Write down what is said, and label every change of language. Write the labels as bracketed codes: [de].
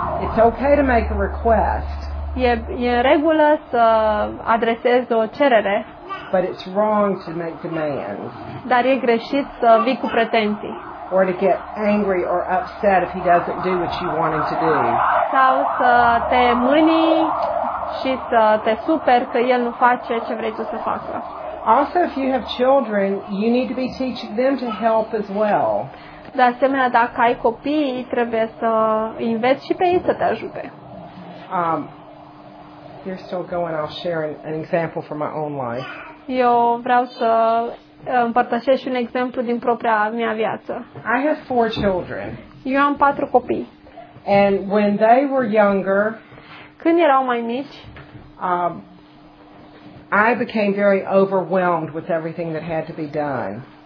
[en] It's okay to make a request. [ro] E în regulă să adresezi o cerere. [en] But it's wrong to make demands. [ro] Dar e greșit să vii cu pretenții. [en] Or to get angry or upset if he doesn't do what you want him to do. [ro] Sau să te mâni și să te superi că el nu face ce vrei tu să facă. [en] Also, if you have children, you need to be teaching them to help as well. [ro] De asemenea, dacă ai copii, trebuie să înveți și pe ei să te ajute. [en] You're still going. I'll share an example from my own life. [ro] Eu vreau să împărtășesc un exemplu din propria mea viață. [en] I have four children. [ro] Eu am patru copii. [en] And when they were younger, [ro] când erau mai mici, [en] I became very overwhelmed with everything that had to be done.